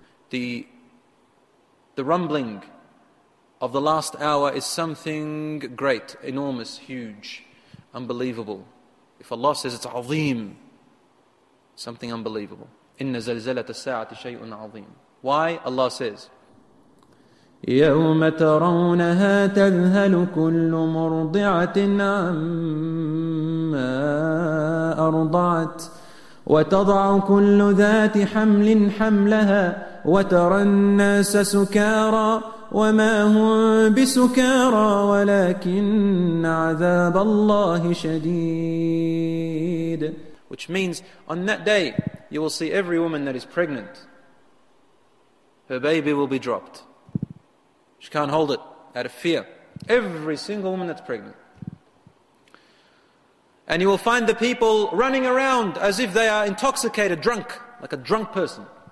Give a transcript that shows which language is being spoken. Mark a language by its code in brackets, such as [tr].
[en] The rumbling of the last hour is something great, enormous, huge, unbelievable. If Allah says it's azim, something unbelievable. [ar] Inna zalzalat as-sa'ati shay'un 'azim. [en] Why? Allah says, [ar] يوم ترونها تذهل كل مرضعة عما أرضعت وتضع كل ذات حمل حملها وترى الناس سكارى وما هم بسكارى ولكن عذاب الله شديد. [en] Which means on that day you will see every woman that is pregnant, her baby will be dropped. She can't hold it out of fear. Every single woman that's pregnant. And you will find the people running around as if they are intoxicated, drunk, like a drunk person.